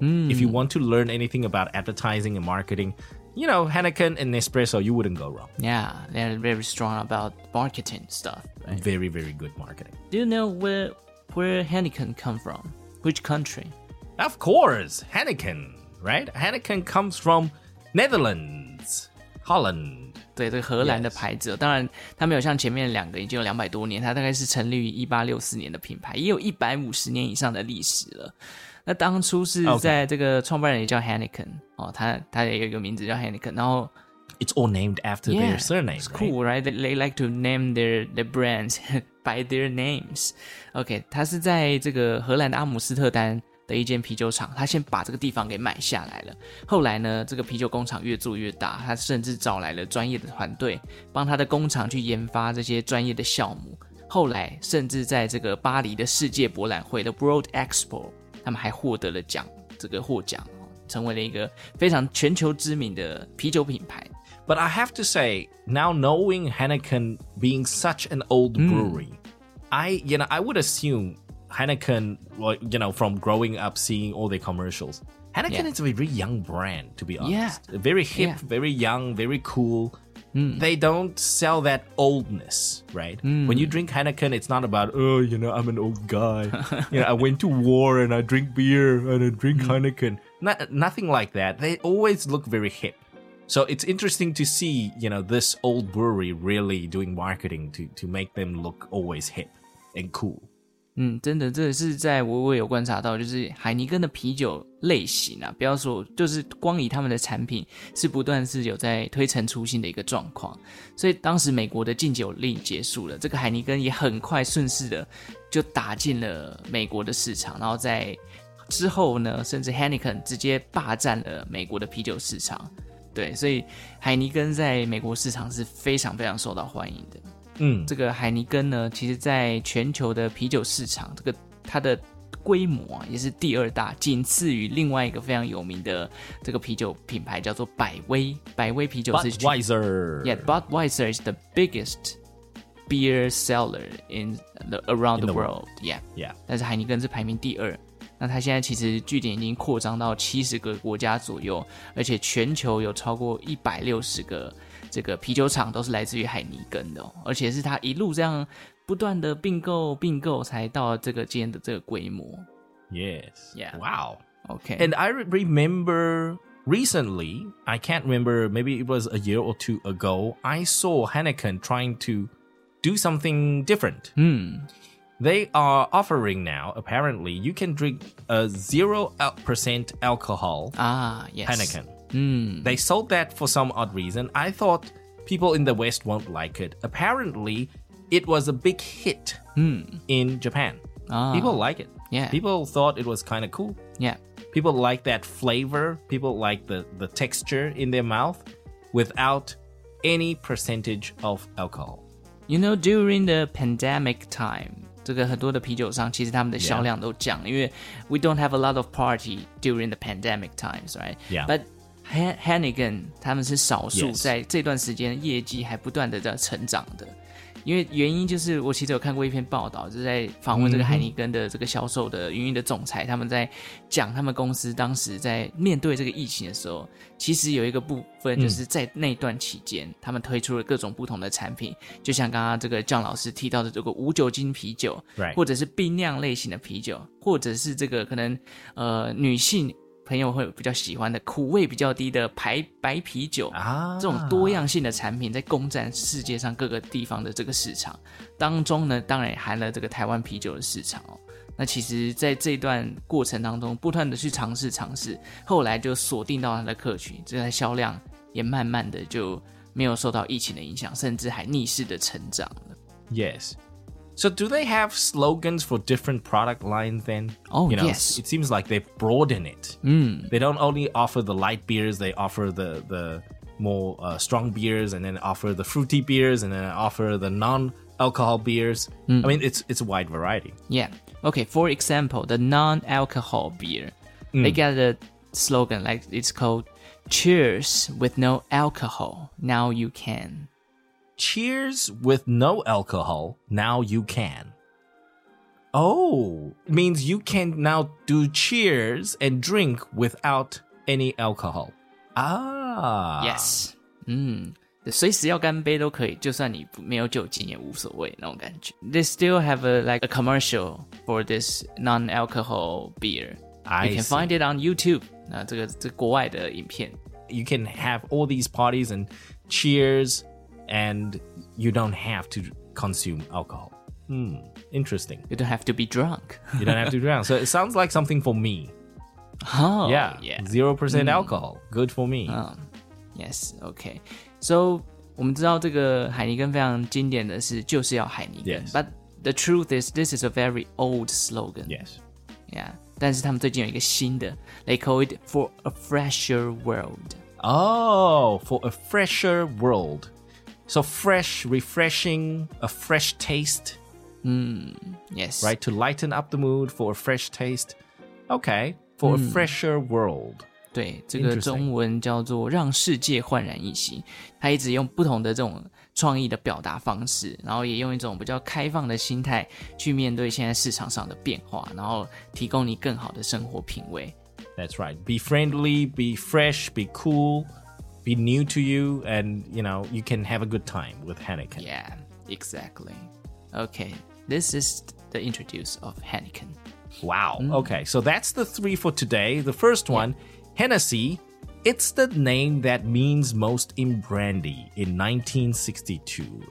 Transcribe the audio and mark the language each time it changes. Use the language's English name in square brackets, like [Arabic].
[English] If you want to learn anything about advertising and marketing, you know, Heineken and Nespresso, you wouldn't go wrong. Yeah, they're very strong about marketing stuff. Right? Very, very good marketing. Do you know where Heineken come from? Which country? Of course, Heineken, right? Heineken comes from Netherlands, Holland. [Chinese] 对，这个荷兰的牌子、哦，当然它没有像前面两个已经有200多年，它大概是成立于1864年的品牌，也有150年以上的历史了。那当初是在这个创办人也叫 Heineken、 [English] okay. [Chinese] 哦，他也有一个名字叫 Heineken， 然后 [English] It's all named after yeah, their surname. It's cool, right? They like to name their brands by their names. [Chinese] Okay， 他是在这个荷兰的阿姆斯特丹。的一间啤酒厂，他先把这个地方给买下来了。后来呢，这个啤酒工厂越做越大，他甚至找来了专业的团队，帮他的工厂去研发这些专业的酵母。后来甚至在这个巴黎的世界博览会的 World Expo， 他们还获得了奖，这个获奖，成为了一个非常全球知名的啤酒品牌。 [English] But I have to say, now knowing Heineken being such an old brewery,、I would assume. Heineken, well, you know, from growing up, seeing all their commercials, Heineken is a very young brand, to be honest. Yeah. Very hip, very young, very cool. They don't sell that oldness, right? When you drink Heineken, it's not about, oh, you know, I'm an old guy. You know, I went to war and I drink beer and I drink Heineken. Nothing like that. They always look very hip. So it's interesting to see, you know, this old brewery really doing marketing to make them look always hip and cool. [Chinese] 真的，这是在我有观察到，就是海尼根的啤酒类型啊，不要说，就是光以他们的产品是不断是有在推陈出新的一个状况。所以当时美国的禁酒令结束了，这个海尼根也很快顺势的就打进了美国的市场，然后在之后呢，甚至 Heineken 直接霸占了美国的啤酒市场。对，所以海尼根在美国市场是非常非常受到欢迎的。这个海尼根呢，其实在全球的啤酒市场，这个它的规模、也是第二大，仅次于另外一个非常有名的这个啤酒品牌，叫做百威。百威啤酒是 [English] Budweiser， Budweiser is the biggest beer seller in the, around the world. Yeah. Yeah. [Chinese] 但是海尼根是排名第二。那他现在其实据点已经扩张到70个国家左右，而且全球有超过160个这个啤酒厂都是来自于海尼根的、哦、而且是他一路这样不断的并购才到这个今天的这个规模。 [English] Yes. Yeah. Wow. Okay. And I remember recently, I can't remember, maybe it was a year or two ago, I saw Heineken trying to do something different. Hmm. They are offering now, apparently, you can drink a 0% alcohol. Ah, yes. Heineken. Hmm. They sold that for some odd reason. I thought people in the West won't like it. Apparently, it was a big hit in Japan. Ah. People like it. Yeah. People thought it was kind of cool. Yeah. People like that flavor. People like the texture in their mouth without any percentage of alcohol. You know, during the pandemic time, [Chinese] 这个很多的啤酒商其实他们的销量都降、 [English] yeah. [Chinese] 因为 [English] we don't have a lot of party during the pandemic times, right? Yeah. But [Chinese] Heineken, 他们是少数在这段时间业绩还不断的在成长的。因为原因就是我其实有看过一篇报道，就是在访问这个海尼根的这个销售的营运的总裁，他们在讲他们公司当时在面对这个疫情的时候，其实有一个部分就是在那段期间他们推出了各种不同的产品，就像刚刚这个John老师提到的这个无酒精啤酒、 [English] right. [Chinese] 或者是冰酿类型的啤酒，或者是这个可能女性朋友会比较喜欢的苦味比较低的白啤酒、啊、这种多样性的产品在攻占世界上各个地方的这个市场当中呢，当然也含了这个台湾啤酒的市场、哦、那其实在这段过程当中不断的去尝试后来就锁定到它的客群，这台销量也慢慢的就没有受到疫情的影响，甚至还逆势的成长了。 [English] Yes. So do they have slogans for different product lines then? Oh, you know, yes. It seems like they broaden it. Mm. They don't only offer the light beers, they offer the more strong beers, and then offer the fruity beers, and then offer the non-alcohol beers. I mean, it's a wide variety. Yeah. Okay, for example, the non-alcohol beer. They got a slogan, like it's called, Cheers with no alcohol, now you can. Cheers with no alcohol, now you can. Oh, means you can now do cheers and drink without any alcohol. Ah. Yes. [Chinese] 随时要干杯都可以，就算你没有酒精也无所谓那种感觉。 [English] They still have a commercial for this non-alcohol beer. I can find it on YouTube. [Chinese] 那这个国外的影片。 [English] You can have all these parties and cheers. And you don't have to consume alcohol. Interesting. You don't have to be drunk. You don't have to drown. So it sounds like something for me. Oh, yeah. Yeah. 0% alcohol. Good for me. Yes, okay. So, [Chinese] 我们知道这个海尼根非常经典的是就是要海尼根。 [English] Yes. But the truth is, this is a very old slogan. Yes. Yeah. [Chinese] 但是他们最近有一个新的。 [English] They call it for a fresher world. Oh, for a fresher world. So fresh, refreshing, a fresh taste. Yes. Right, to lighten up the mood for a fresh taste. Okay, for a fresher world. [Chinese] 对，这个中文叫做让世界焕然一新。他一直用不同的这种创意的表达方式，然后也用一种比较开放的心态去面对现在市场上的变化，然后提供你更好的生活品味。 [English] That's right. Be friendly, be fresh, be cool. Be new to you, and you know, you can have a good time with Heineken. Yeah, exactly. Okay, this is the introduce of Heineken. Wow, okay, so that's the three for today. The first one, Hennessy, it's the name that means most in brandy in 1962.